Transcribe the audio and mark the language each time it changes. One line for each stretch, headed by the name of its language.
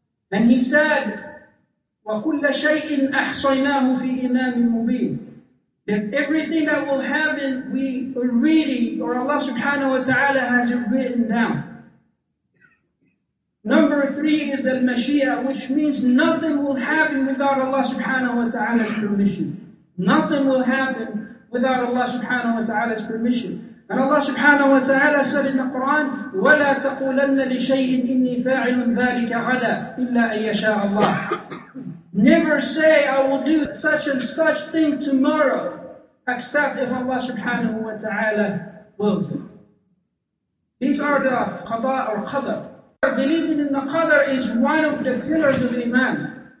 English: And He said,
Arabic: وَكُلَّ شَيْءٍ أَحْصَيْنَاهُ فِي إِمَامٍ مُبِينٍ,
English: that everything that will happen, we already, or Allah subhanahu wa ta'ala has it written down. Number three is al-mashi'ah, which means nothing will happen without Allah subhanahu wa ta'ala's permission. Nothing will happen without Allah subhanahu wa ta'ala's permission. And Allah subhanahu wa ta'ala said in the Quran,
Arabic: وَلَا تَقُولَنَّ لِشَيْءٍ إِنِّي فَاعِلٌ ذَلِكَ غَدًا إِلَّا أَن يَشَاءَ اللَّهُ.
English: Never say, I will do such and such thing tomorrow, except if Allah subhanahu wa ta'ala wills it. These are the qada or qadr. Believing in the qadr is one of the pillars of iman.